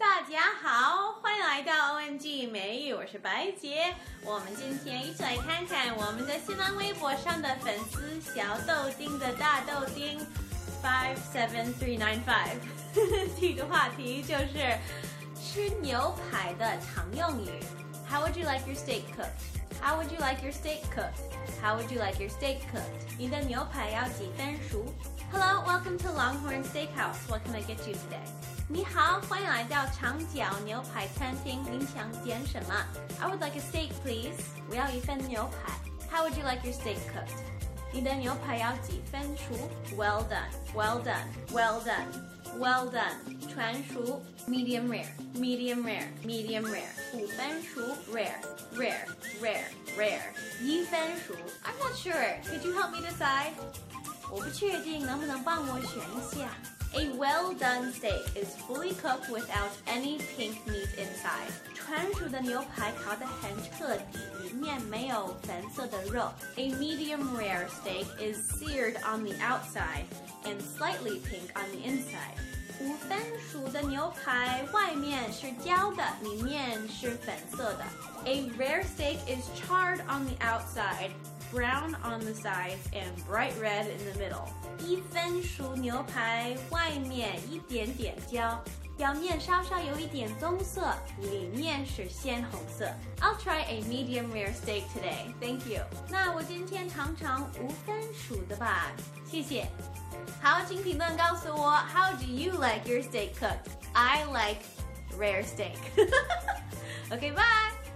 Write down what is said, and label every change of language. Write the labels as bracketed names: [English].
[Chinese] 家好，欢迎来到 ONG 美语，我是白杰。我们今天一起来看看我们的新浪微博上的粉丝小豆丁的大豆丁 57395 这个话题就是吃牛排的常用语。 [English] How would you like your steak cooked? How would you like your steak cooked? How would you like your steak cooked? [Chinese] 你的牛排要几分熟？ [English] Hello, welcome to Longhorn Steakhouse. What can I get you today? [Chinese] 你好，欢迎来到长角牛排餐厅。您想点什么？ [English] I would like a steak, please. [Chinese] 我要一份牛排。 [English] How would you like your steak cooked? [Chinese] 你的牛排要几分熟？ [English] Well done, well done, well done, well done. [Chinese] 全熟。 [English] Medium rare, medium rare, medium rare. [Chinese] 五分熟。 [English] Rare, rare, rare, rare. [Chinese] 一分熟。 [English] I'm not sure. Could you help me decide? [Chinese] 我不确定能不能帮我选一下。 [English] A well-done steak is fully cooked without any pink meat inside. [Chinese] 全熟的牛排烤得很彻底，里面没有粉色的肉。 [English] A medium-rare steak is seared on the outside and slightly pink on the inside. [Chinese] 五分熟的牛排外面是焦的，里面是粉色的。 [English] A rare steak is charred on the outside, brown on the sides, and bright red in the middle. [Chinese] 一分熟牛排外面一点点焦，表面稍稍有一点棕色，里面是鲜红色。 [English] I'll try a medium rare steak today. Thank you. [Chinese] 那我今天尝尝五分熟的吧，谢谢。好，请评论告诉我 [English] ，How do you like your steak cooked? I like rare steak. Okay, bye.